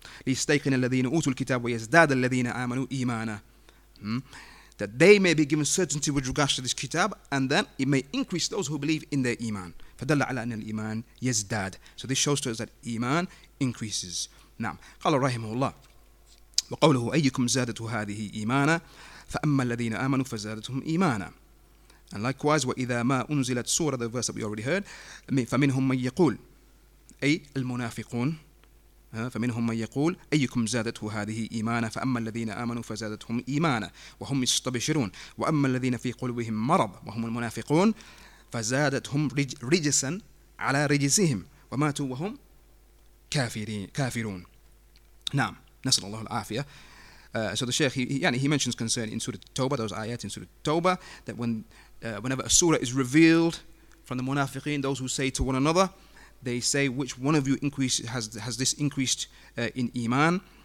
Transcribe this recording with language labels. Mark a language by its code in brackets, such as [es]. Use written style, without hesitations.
[ar] ليستيقن الذين أوتوا الكتاب ويزداد الذين آمنوا إيمانا. [en] That they may be given certainty with regards to this kitab, and then it may increase those who believe in their iman. [ar] فدل على أن الإيمان يزداد. [en] So this shows to us that iman increases. [ar] نعم. قال رحمه الله وقوله أيكم زادته هذه إيمانا فأما الذين آمنوا فزادتهم إيمانا. [en] And likewise, [ar] وَإِذَا مَا أُنزِلَتْ سُورَةً, [en] the verse that we already heard, [ar] فَمِنْهُمْ مَنْ يَقُولُ, أي المنافقون فمنهم من يقول أيكم زادته هذه إيمانا فأما الذين آمنوا فزادتهم إيمانا وهم يستبشرون وأما الذين في قلوبهم مرض وهم المنافقون فزادتهم رجسا على رجسهم وماتوا وهم كافرون. نعم نسأل الله العافية. [en] So the Sheikh, he mentions concern in Surah Tawbah, those ayat in Surah Tawbah, that whenever a surah is revealed from the munafiqeen, those who say to one another, they say, which one of you has this increased in iman?